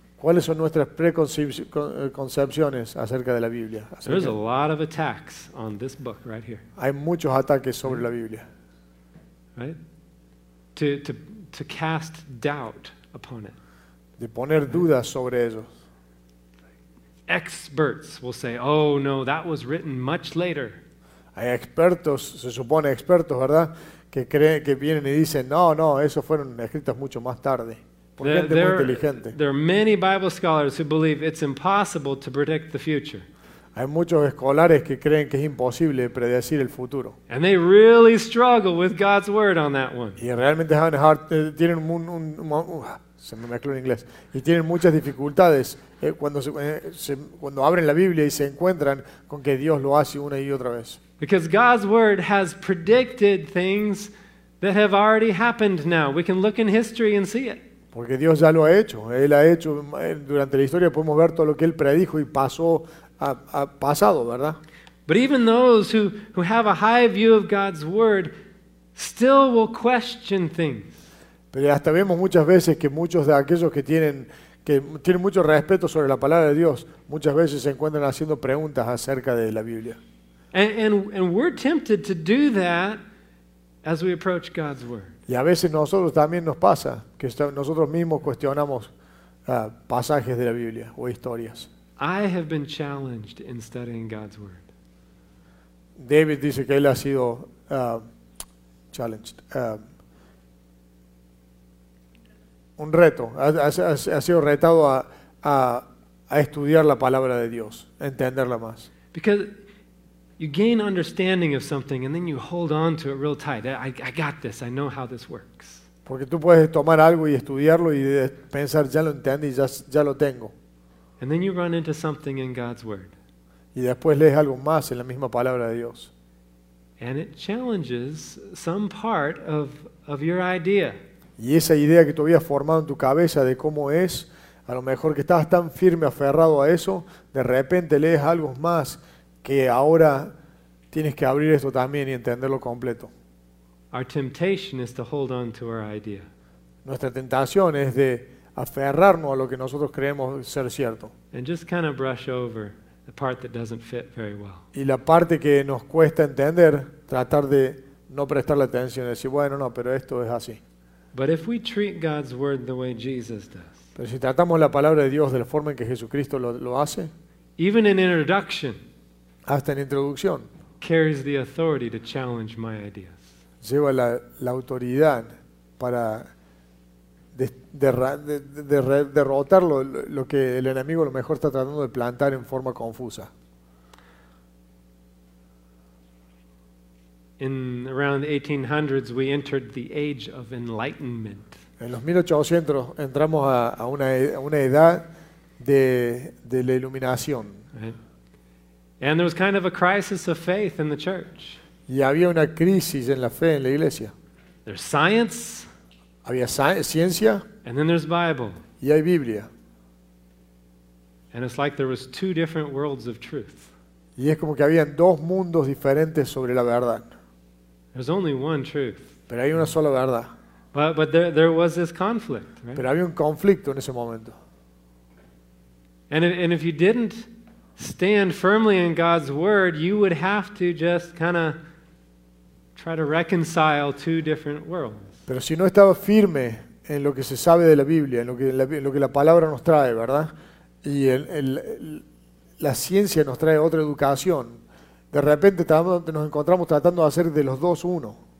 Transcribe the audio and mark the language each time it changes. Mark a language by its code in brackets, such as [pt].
[es] ¿Cuáles son nuestras preconcepciones acerca de la Biblia? [en] There's a lot of attacks on this book right here. [es] Hay muchos ataques sobre la Biblia. [en] Right? To cast doubt upon it. [es] De poner dudas sobre ello. [en] Experts will say, "Oh no, that was written much later." [es] Hay expertos, se supone expertos, ¿verdad? Que creen, que vienen y dicen, "No, esos fueron escritos mucho más tarde." [en] There are many Bible scholars who believe it's impossible to predict the future. [es] Hay muchos escolares que creen que es imposible predecir el futuro. [en] And they really struggle with God's word on that one. [es] Y realmente tienen se me mezcló en inglés. Y tienen muchas dificultades cuando abren la Biblia y se encuentran con que Dios lo hace una y otra vez. [en] Because God's word has predicted things that have already happened now. We can look in history and see it. [es] Porque Dios ya lo ha hecho. Él ha hecho, durante la historia podemos ver todo lo que Él predijo y pasó, ha pasado, ¿verdad? [en] But even those who have a high view of God's word still will question things. [es] Pero hasta vemos muchas veces que muchos de aquellos que tienen mucho respeto sobre la palabra de Dios, muchas veces se encuentran haciendo preguntas acerca de la Biblia. [en] And we're tempted to do that as we approach God's word. [es] Y a veces nosotros también nos pasa que nosotros mismos cuestionamos pasajes de la Biblia o historias. [en] I have been challenged in studying God's word. [es] David dice que él ha sido challenged. Un reto. Ha sido retado a estudiar la palabra de Dios, entenderla más. [en] Because you gain understanding of something and then you hold on to it real tight. I got this. I know how this works. [es] Porque tú puedes tomar algo y estudiarlo y pensar ya lo entendí, ya lo tengo. [en] And then you run into something in God's word. [es] Y después lees algo más en la misma palabra de Dios. [en] And it challenges some part of your idea. [es] Y esa idea que tú habías formado en tu cabeza de cómo es, a lo mejor que estabas tan firme aferrado a eso, de repente lees algo más que ahora tienes que abrir esto también y entenderlo completo. [en] Our temptation is to hold on to our idea. [es] Nuestra tentación es de aferrarnos a lo que nosotros creemos ser cierto. [en] And just kind of brush over the part that doesn't fit very well. [es] Y la parte que nos cuesta entender, tratar de no prestarle atención, decir, bueno, no, pero esto es así. [en] But if we treat God's word the way Jesus does. [es] Pero si tratamos la palabra de Dios de la forma en que Jesucristo lo hace, [en] even in introduction, [es] hasta en introducción, [en] carries the authority to challenge my ideas. [es] Lleva la autoridad para derrotar lo que el enemigo a lo mejor está tratando de plantar en forma confusa. [en] In around the 1800s, we entered the age of enlightenment. [es] En los 1800 entramos a una edad de la iluminación. [en] Right. And there was kind of a crisis of faith in the church. [es] Y había una crisis en la fe en la iglesia. [en] There's science. [es] Había ciencia. [en] And then there's Bible. [es] Y hay Biblia. [en] And it's like there was two different worlds of truth. [es] Y es como que habían dos mundos diferentes sobre la verdad. [en] There's only one truth. [es] Pero hay una sola verdad. [en] But there was this conflict. Right? [es] Pero había un conflicto en ese momento. [en] And if you didn't stand firmly in God's word, you would have to just kind of try to reconcile two different worlds. [es] Pero si no estaba firme en lo que se sabe de la Biblia, en lo que la palabra nos trae, ¿verdad? Y la ciencia nos trae otra educación. De repente nos encontramos tratando de hacer de los dos uno.